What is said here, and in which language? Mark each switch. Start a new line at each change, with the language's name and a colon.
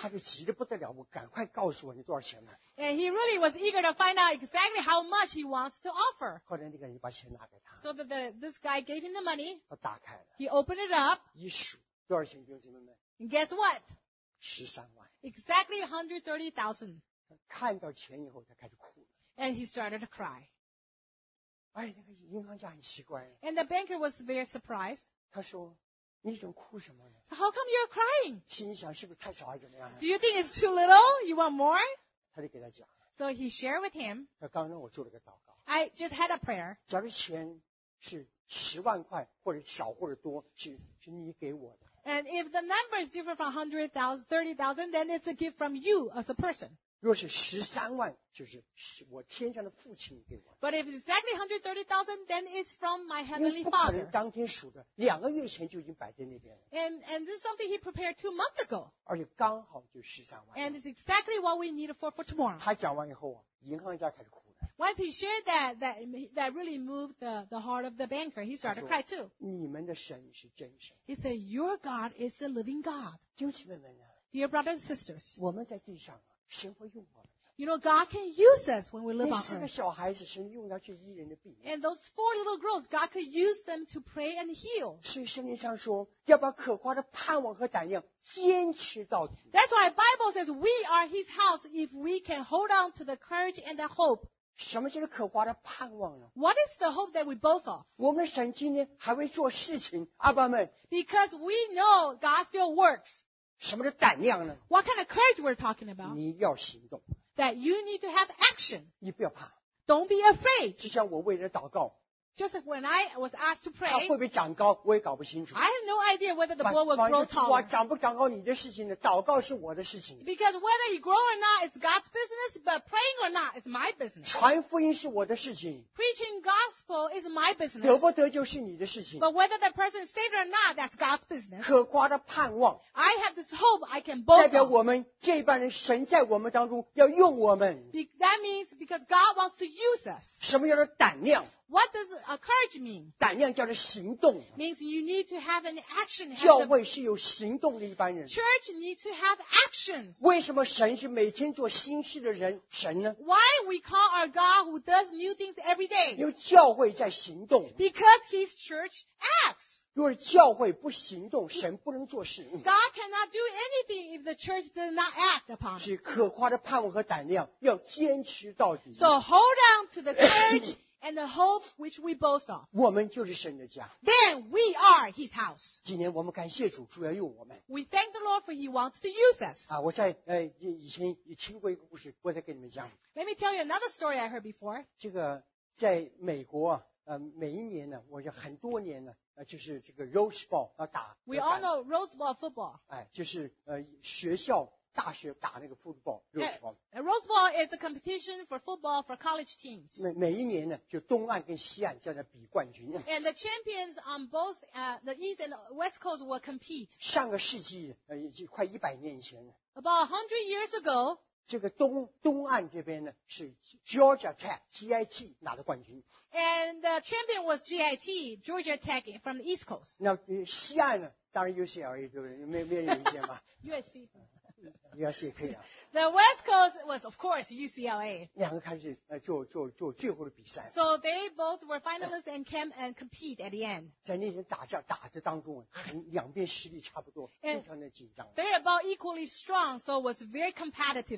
Chinese: 他就急得不得了，我赶快告诉我你多少钱呢
English: ？And he really was eager to find out exactly how much he wants to offer.
Chinese: 后来那个人把钱拿给他。
English: So that this guy gave him the money.
Chinese: 他打开了。
English: He opened it up.
Chinese: 一数多少钱，弟兄姐妹们。
English: And guess what?
Chinese: 13万。
English: Exactly 130,000.
Chinese: 看到钱以后，他开始哭了。
English: And he started to cry.
Chinese: 哎，那个银行家很奇怪。
English: And the banker was very surprised.
Chinese: 他说，你怎么哭什么呢
English: ？So how come you're crying?
Chinese: 心里想是不是太少还是怎么样
English: ？Do you think it's too little? You want more?
Chinese: 他就给他讲。
English: So he shared with him.
Chinese: 刚刚我做了个祷告。
English: I just had a prayer.
Chinese: 假如钱是十万块，或者少或者多，是你给我的。
English: And if the number is different from 100,000, 30,000, then it's a gift from you as a person.
Chinese: 若是十三万，就是我天上的父亲给我。
English: But if exactly 130,000, then it's from my heavenly father.
Chinese: 因为不可能当天数的，两个月前就已经摆在那边了。
English: And this is something he prepared 2 months ago.
Chinese: 而且刚好就十三万。
English: And it's exactly what we need for tomorrow.
Chinese: 他讲完以后，银行家开始哭了。
English: Once he shared that really moved the heart of the banker. He started to cry too.
Chinese: 你们的神是真神。
English: He said, "Your God is the living God."
Chinese: 弟兄姊妹们啊
English: ，Dear brothers and sisters，
Chinese: 我们在地上啊，神会用我们。
English: You know, God can use us when we live on earth.
Chinese: 那四个小孩子，神用他去医人的病。
English: And those 4 little girls, God could use them to pray and heal.
Chinese: 所以圣经上说，要把可夸的盼望和胆量坚持到底。
English: That's why Bible says we are His house if we can hold on to the courage and the hope.
Chinese: 什么叫做可夸的盼望呢
English: ？What is the hope that we boast of?
Chinese: 我们神今天还会做事情，阿爸们。
English: Because we know God still works.
Chinese: 什么叫胆量呢
English: ？What kind of courage we're talking about?
Chinese: 你要行动。
English: That you need to have action.
Chinese: 你不要怕。
English: Don't be afraid.
Chinese: 就像我为了祷告。
English: Just like when I was asked to pray.
Chinese: 它会不会长高，我也搞不清楚。
English: I have no idea whether the boy will grow taller.
Chinese: 长不长高你的事情呢？祷告是我的事情。
English: Because whether he grow or not is God's business, but praying or not is my business.
Chinese: 传福音是我的事情。
English: Preaching gospel is my business.
Chinese: 得不得救是你的事情。
English: But whether the person is saved or not, that's God's business.
Chinese: 可夸的盼望。
English: I have this hope I can boast.
Chinese: 代表我们这一班人，神在我们当中要用我们。
English: That means because God wants to use us.
Chinese: 什么叫做胆量？
English: What does courage mean?
Chinese: 胆量叫做行动。
English: Means you need to have an action.
Chinese: 教会是有行动的一般人。
English: Church needs to have actions.
Chinese: 为什么神是每天做新事的人神呢
English: ？Why we call our God who does new things every day?
Chinese: 因为教会在行动。
English: Because His church acts.
Chinese: 如果教会不行动，神不能做事。
English: God cannot do anything if the church does not act upon.
Chinese: 是可夸的盼望和胆量，要坚持到底。
English: So hold on to the courage. And the hope which we boast of.
Chinese: 我们就是神的家。
English: Then we are His house.
Chinese: 今天我们感谢主，主要用我们。
English: We thank the Lord for He wants to use us.
Chinese: 啊，我在以前也听过一个故事，我再跟你们讲。
English: Let me tell you another story I heard before.
Chinese: 这个在美国，每一年呢，我就很多年呢，就是这个 Rose Bowl 要打。
English: We all know Rose Bowl football.
Chinese: 哎，就是学校。大学打那个 football Rose Bowl.
English: Rose Bowl is a competition for football for college teams.
Chinese: 每一年呢，就东岸跟西岸在那比冠军。
English: And the champions on both the East and West Coast will compete.
Chinese: 上个世纪快100年以前。
English: About 100 years ago.
Chinese: 这个东岸这边呢是 Georgia Tech GIT 拿的冠军。
English: And the champion was GIT Georgia Tech from the East Coast.
Chinese: 那西岸呢，当然 UCLA 就没人接嘛。
English: USC. UCLA。 The West Coast was, of course, UCLA。
Chinese: 两个开始做最后的比赛。
English: So they both were finalists and came and compete at the end。
Chinese: 在那天打架打的当中，两边实力差不多，非常的紧张。
English: They're about equally strong, so it was very competitive.